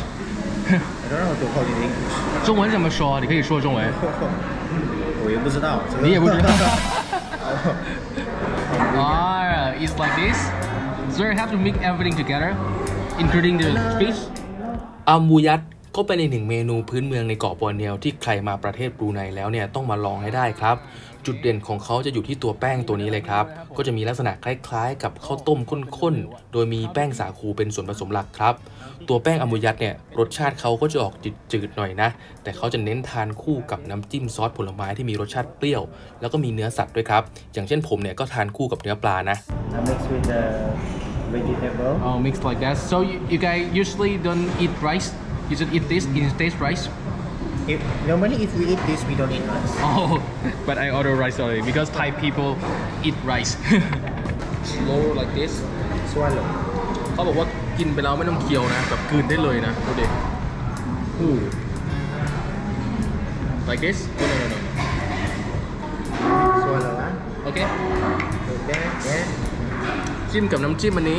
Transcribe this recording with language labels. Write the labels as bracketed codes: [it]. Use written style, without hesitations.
[en] I don't know how to call it in English. [zh] 中文怎么说？你可以说中文。我也不知道。你也不知道。 [en] Ah, it's like this. So you have to mix everything together, including the fish. [th] Ambuyat ก็เป็นอีกหนึ่งเมนูพื้นเมืองในเกาะบอร์เนียวที่ใครมาประเทศบรูไนแล้วเนี่ยต้องมาลองให้ได้ครับจุดเด่นของเขาจะอยู่ที่ตัวแป้งตัวนี้เลยครับก็จะมีลักษณะคล้ายๆกับข้าวต้มข้นๆโดยมีแป้งสาคูเป็นส่วนผสมหลักครับตัวแป้งอัมบูยัดเนี่ยรสชาติเขาก็จะออกจืดๆหน่อยนะแต่เขาจะเน้นทานคู่กับน้ำจิ้มซอสผลไม้ที่มีรสชาติเปรี้ยวแล้วก็มีเนื้อสัตว์ด้วยครับอย่างเช่นผมเนี่ยก็ทานคู่กับเนื้อปลานะ [en] mix with the vegetable oh mix like that so you guys usually don't eat rice you just eat this instead rice If, normally, if we eat this, we don't eat rice. Oh, but I order rice already because Thai people eat rice. Slow like this. Swallow. [th] เขาบอกว่ากินไปแล้วไม่ต้องเคี้ยวนะแบบกลืนได้เลยนะดูดิ [en] Like this? No. Swallow. Okay. Yeah. [th] จิ้มกับน้ำจิ้มอันนี